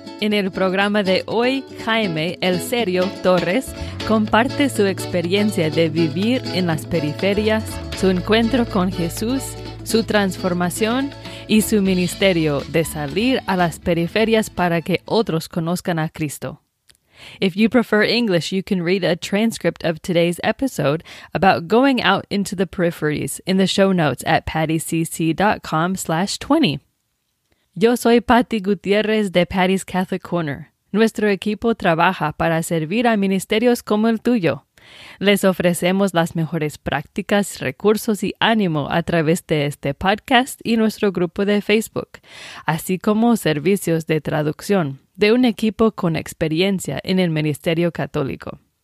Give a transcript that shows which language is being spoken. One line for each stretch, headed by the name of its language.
Spanish: En el programa de hoy, Jaime, el serio Torres, comparte su experiencia de vivir en las periferias, su encuentro con Jesús, su transformación y su ministerio de salir a las periferias para que otros conozcan a Cristo.
English: If you prefer English, you can read a transcript of today's episode about going out into the peripheries in the show notes at pattycc.com/20.
Spanish: Yo soy Patti Gutiérrez de Patty's Catholic Corner. Nuestro equipo trabaja para servir a ministerios como el tuyo. Les ofrecemos las mejores prácticas, recursos y ánimo a través de este podcast y nuestro grupo de Facebook, así como servicios de traducción de un equipo con experiencia en el ministerio católico.